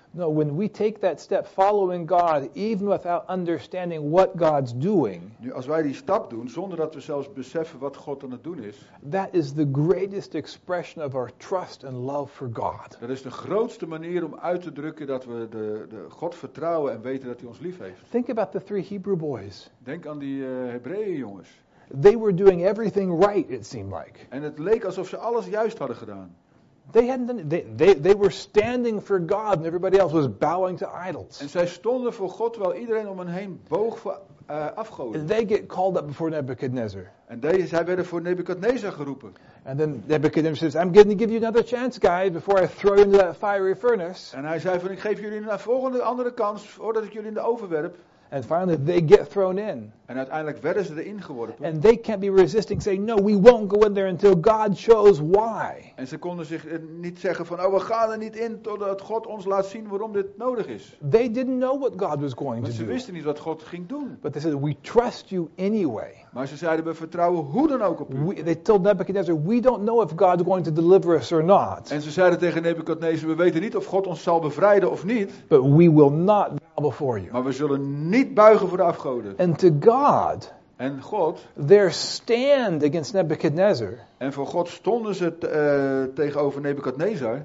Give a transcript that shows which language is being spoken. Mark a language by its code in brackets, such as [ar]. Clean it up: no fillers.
[en] No, when we take that step following God, even without understanding what God's doing. [nl] Nu, als wij die stap doen, zonder dat we zelfs beseffen wat God aan het doen is. [en] That is the greatest expression of our trust and love for God. [nl] Dat is de grootste manier om uit te drukken dat we de God vertrouwen en weten dat hij ons lief heeft. [en] Think about the three Hebrew boys. [nl] Denk aan die Hebreeën jongens. [en] They were doing everything right, it seemed like. [nl] En het leek alsof ze alles juist hadden gedaan. [en] They were standing for God and everybody else was bowing to idols. [nl] En zij stonden voor God terwijl iedereen om hen heen boog voor afgoden. [en] And they get called up before Nebuchadnezzar. [nl] En zij werden voor Nebuchadnezzar geroepen. [en] And then Nebuchadnezzar says, I'm going to give you another chance, guy, before I throw you into that fiery furnace. [nl] En hij zei van, ik geef jullie een volgende andere kans voordat ik jullie in de oven werp. [en] And finally they get thrown in. [nl] En uiteindelijk werden ze erin geworpen. [en] And they can't be resisting saying no, we won't go in there until God shows why. [nl] En ze konden zich niet zeggen van oh, we gaan er niet in totdat God ons laat zien waarom dit nodig is. [en] They didn't know what God was going [nl] Want [en] to [nl] ze [en] do. [nl] Ze wisten niet wat God ging doen. [en] But they said we trust you anyway. [nl] Maar ze zeiden we vertrouwen hoe dan ook op u. [en] They told Nebuchadnezzar we don't know if God's going to deliver us or not. [nl] En ze zeiden tegen Nebuchadnezzar we weten niet of God ons zal bevrijden of niet. [en] But we will not bow before you. [nl] Maar we zullen niet buigen voor de afgoden. [en] And to God, [nl] en God, [en] their stand against Nebuchadnezzar. [nl] En voor God stonden ze tegenover Nebuchadnezzar.